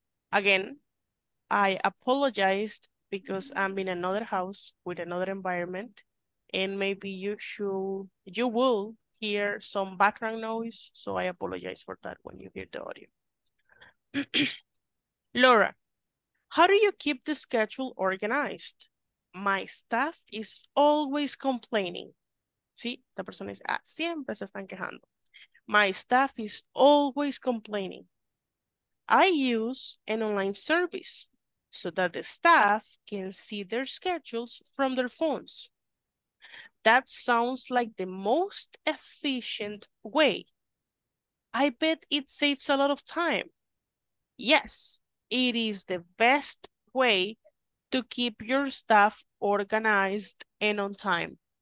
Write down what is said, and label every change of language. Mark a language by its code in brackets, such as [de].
[en] Again, I apologized because I'm in another house with another environment and maybe you will hear some background noise. So I apologize for that when you hear the audio. Laura, how do you keep the schedule organized? My staff is always complaining. [es] Sí, la persona dice, ah, siempre se están quejando. [en] My staff is always complaining. I use an online service so that the staff can see their schedules from their phones. That sounds like the most efficient way. I bet it saves a lot of time. Yes, it is the best way to keep your staff organized and on time.